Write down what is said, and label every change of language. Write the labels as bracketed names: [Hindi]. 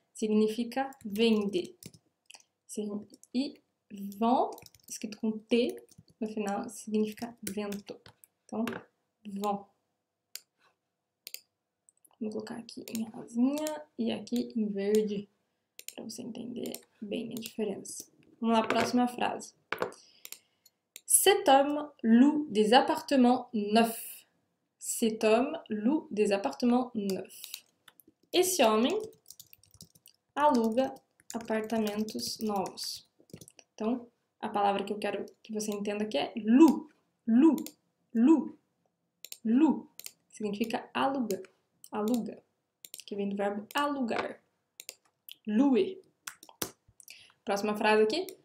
[Portuguese] Significa vender. E vão, escrito com T no final, significa vento. Então, vão. Vou colocar aqui em rosinha e aqui em verde, para você entender bem a diferença. Vamos lá, próxima frase. [French] Cet homme loue des appartements neufs. Cet homme loue des appartements neufs. [Portuguese] Esse homem aluga apartamentos novos. Então, a palavra que eu quero que você entenda aqui é lu, lu, lu, lu. Significa aluga, aluga, que vem do verbo alugar. Louer. Próxima frase aqui.